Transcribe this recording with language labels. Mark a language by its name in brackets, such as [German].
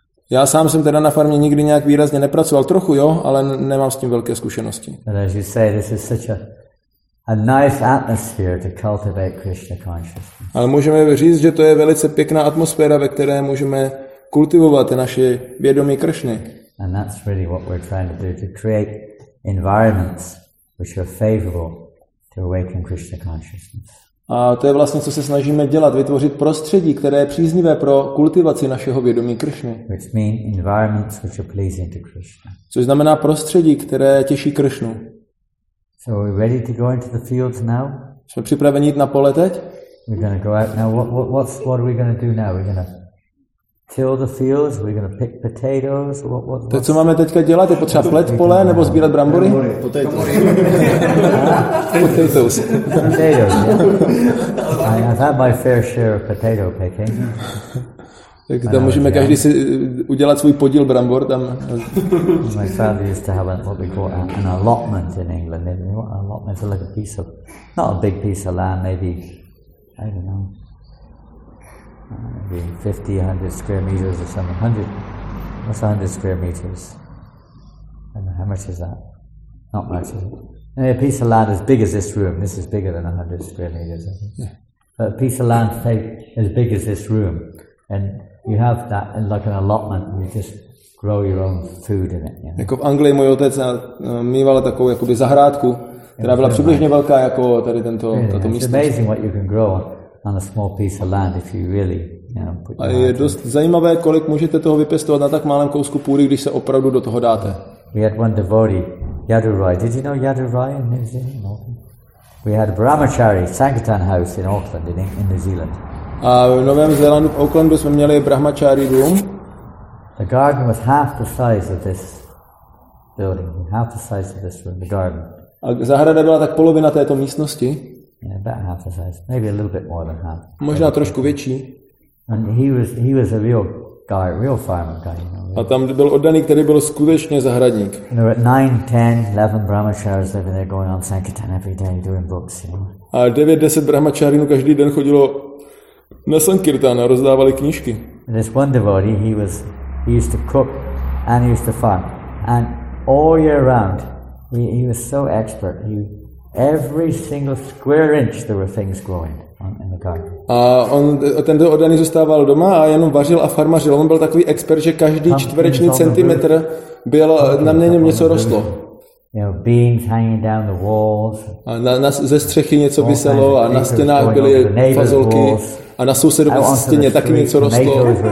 [Czech] Já sám jsem teda na farmě nikdy nějak výrazně nepracoval, trochu jo, ale nemám s tím velké zkušenosti. [English] But as you say, this is such a nice atmosphere to cultivate Krishna consciousness. [Czech] Ale můžeme říct, že to je velice pěkná atmosféra, ve které můžeme kultivovat naše vědomí Krishny. [English] And that's really what we're trying to do, to create environments which are favorable to awaken Krishna consciousness. [Czech] A to je vlastně, co se snažíme dělat, vytvořit prostředí, které je příznivé pro kultivaci našeho vědomí Krishny. [English] Which means environments which are pleasing to Krishna. [Czech] Což znamená prostředí, které těší Krishnu. [English] So are we ready to go into the fields now? [Czech] Jsme připraveni jít na pole teď? [English] We're going to go out now. What are we going to do now? We're going to till the fields. We're going to pick potatoes. [Czech] To, co máme teďka dělat, je potřeba plet pole nebo sbírat brambory? [English] Potatoes. I've had my fair share of potato picking. [Czech] Tak tam můžeme každý si udělat svůj podíl brambor tam. [English] My family used to have what we call an allotment in England. An allotment is like a piece of, not a big piece of land, maybe, I don't know, maybe 50-100 square meters or something. 100, what's 100 square meters? I don't know, how much is that? Not much, is it? Maybe a piece of land as big as this room. This is bigger than 100 square meters, I think. Yeah. But a piece of land, say, as big as this room. And you have that in like an allotment, you just grow your own food in it. You know? [Czech] Jako v Anglii můj otec mýval takovou jakoby zahrádku, která byla přibližně velká jako tady tento tato místo. [English] It's amazing what you can grow on a small piece of land if you really, you know, put your [Czech] heart. A je dost zajímavé, kolik můžete toho vypěstovat na tak malém kousku půdy, když se opravdu do toho dáte. [English] We had one devotee, Yadurai. Did you know Yadurai in New Zealand? We had a Brahmachari Sankirtan house in Auckland in New Zealand. [Czech] A v Novém Zélandu, v Aucklandu jsme měli Brahmachari dům. [English] The garden was half the size of this building, half the size of this room, the garden. [Czech] A zahrada byla tak polovina této místnosti. [English] Yeah, about half the size, maybe a little bit more than half. [Czech] Možná trošku větší. [English] And he was a real guy, real farmer guy. You know, really. [Czech] A tam byl oddaný, který byl skutečně zahradník. [English] There were 9, 10, 11 Brahmacharis living there, going on Sankirtan every day, doing books. You know. [Czech] A 9, 10 Brahmacharinů každý den chodilo na Sankirtan a rozdávali knížky. [English] And this one devotee, he used to cook and he used to farm. And all year round, he was so expert. Every single square inch there were things growing in the garden. [Czech] A on, tento oddaný zůstával doma a jenom vařil a farmařil. On byl takový expert, že každý čtvereční centimetr byl na něm něco rostlo. [English] You know, beans hanging down the walls. [Czech] A na ze střechy něco viselo a na stěnách byly fazolky a na sousedové stěně taky něco rostlo.